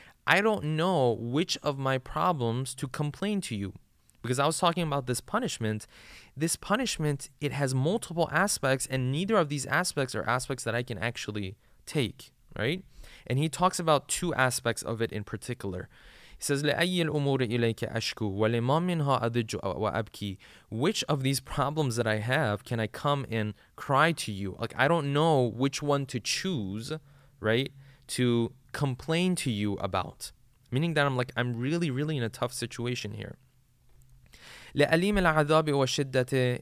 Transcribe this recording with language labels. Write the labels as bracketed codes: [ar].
[en] I don't know which of my problems to complain to you. Because I was talking about this punishment. This punishment, it has multiple aspects, and neither of these aspects are aspects that I can actually take, right? And he talks about two aspects of it in particular. He says, [ar] لِأَيِّ الْأُمُورِ إِلَيْكَ أَشْكُو وَلِمَا مِنْهَا أَدِجُّ وَأَبْكِي. [en] Which of these problems that I have can I come and cry to you? Like, I don't know which one to choose, right, to complain to you about. Meaning that I'm like, I'm really, really in a tough situation here. [ar] لِأَلِيمِ الْعَذَابِ وَشِدَّةِ.